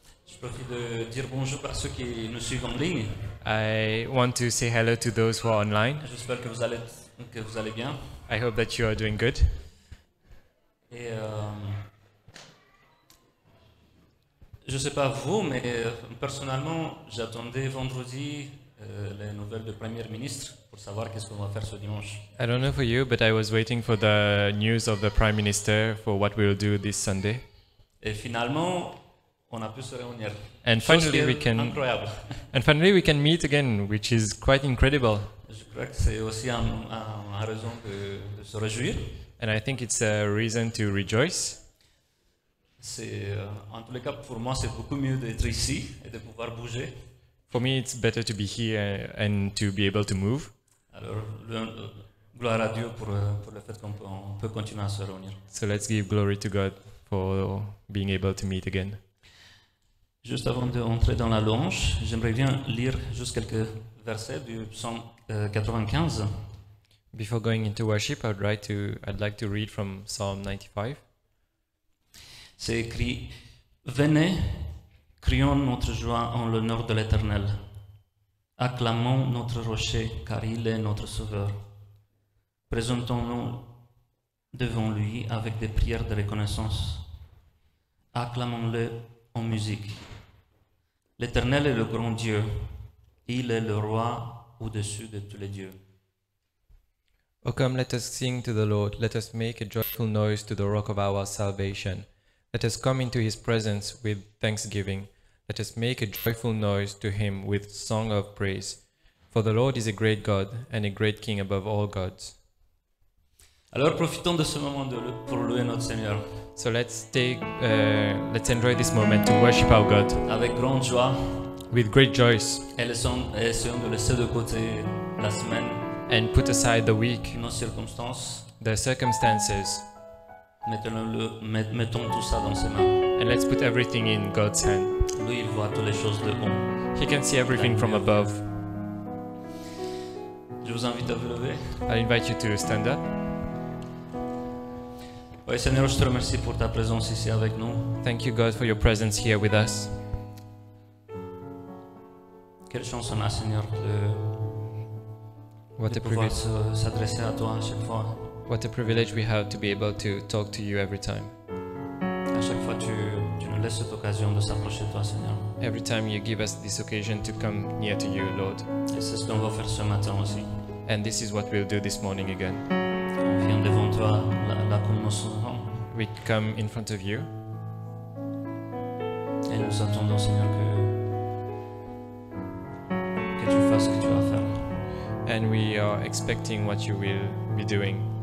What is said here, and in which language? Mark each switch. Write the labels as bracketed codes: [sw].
[fr] Je profite de dire bonjour à ceux qui nous suivent en ligne. [en] I want to say hello to those who are online. [fr] J'espère que vous allez bien. [en] I hope that you are doing good. [fr] Et je sais pas vous, mais personnellement, j'attendais vendredi les nouvelles du Premier ministre. Pour savoir qu'est-ce qu'on va faire ce dimanche. [en] I don't know for you, but I was waiting for the news of the Prime Minister for what we'll do this Sunday. [fr] Et finalement, on a pu se réunir. [en] And finally, we can. [fr] Incroyable. [en] And finally, we can meet again, which is quite incredible. [fr] Je crois que c'est aussi une raison de se réjouir. [en] And I think it's a reason to rejoice. [fr] C'est en tous les cas pour moi, c'est beaucoup mieux d'être ici et de pouvoir bouger. [en] For me, it's better to be here and to be able to move. [fr] Alors, gloire à Dieu pour le fait qu'on peut continuer à se réunir. [en] So let's give glory to God for being able to meet again. [fr] Juste avant d'entrer dans la louange, j'aimerais bien lire juste quelques versets du psaume 95. [en] Before going into worship, I'd like to read from Psalm 95. [fr] C'est écrit, venez, crions notre joie en l'honneur de l'Éternel. Acclamons notre rocher, car il est notre sauveur. Présentons-nous devant lui avec des prières de reconnaissance. Acclamons-le en musique. L'Éternel est le grand Dieu. Il est le roi au-dessus de tous les dieux. [en] O come, let us sing to the Lord. Let us make a joyful noise to the rock of our salvation. Let us come into his presence with thanksgiving. Let us make a joyful noise to him with song of praise. For the Lord is a great God and a great King above all gods. [fr] Alors profitons de ce moment pour louer notre Seigneur. [en] So let's enjoy this moment to worship our God. [fr] Avec grande joie. [en] With great joys. [fr] Et essayons de laisser de côté la semaine. [en] And put aside the week. [fr] Nos circonstances. [en] The circumstances. [fr] Mettons tout ça dans ses mains. [en] And let's put everything in God's hand. [fr] Lui, il voit toutes les choses de haut. [en] He can see everything from above. [fr] Je vous invite à vous lever. [en] I invite you to stand up. [fr] Oui, Seigneur, je te remercie pour ta présence ici avec nous. [en] Thank you, God, for your presence here with us. [fr] Quelle chance on a, Seigneur, de pouvoir s'adresser à toi à chaque fois. [en] What a privilege we have to be able to talk to you every time. [fr] À chaque fois, tu nous laisses cette occasion de s'approcher de toi, Seigneur. [en] Every time you give us this occasion to come near to you, Lord. [fr] Et c'est ce qu'on va faire ce matin aussi. [en] And this is what we'll do this morning again. [fr] On vient devant toi, là comme nous sommes. [en] We come in front of you. [fr] Et nous attendons, Seigneur, que tu fasses ce que tu vas faire. [en] And we are expecting what you will be doing.